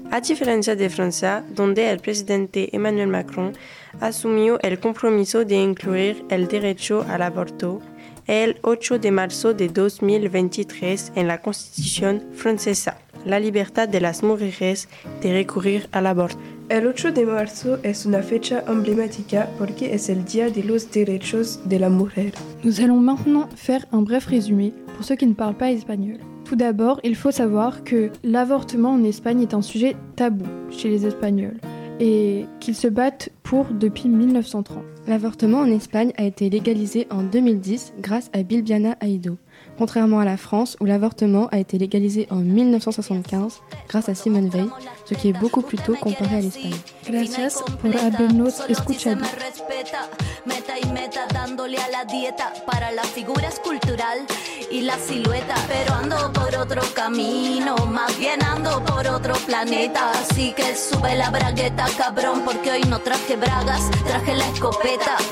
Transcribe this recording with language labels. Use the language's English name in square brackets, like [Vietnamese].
[Spanish] A diferencia de Francia, donde el presidente Emmanuel Macron asumió el compromiso de incluir el derecho al aborto el 8 de marzo de 2023 en la Constitución francesa, la libertad de las mujeres de recurrir al aborto. El 8 de marzo es una fecha emblemática porque es el Día de los Derechos de la Mujer. [French] Nous allons maintenant faire un bref résumé pour ceux qui ne parlent pas espagnol. Tout d'abord, il faut savoir que l'avortement en Espagne est un sujet tabou chez les Espagnols et qu'ils se battent pour depuis 1930. L'avortement en Espagne a été légalisé en 2010 grâce à Bilbiana Aedo, Contrairement à la France, où l'avortement a été légalisé en 1975 grâce à Simone Veil, ce qui est beaucoup plus tôt comparé à l'Espagne. [Spanish] Gracias por habernos escuchado. Meta y meta dándole a la dieta para la figura escultural y la silueta. Pero ando por otro camino, más bien ando por otro planeta. Así que sube la bragueta, cabrón, porque hoy no traje bragas, traje la escopeta.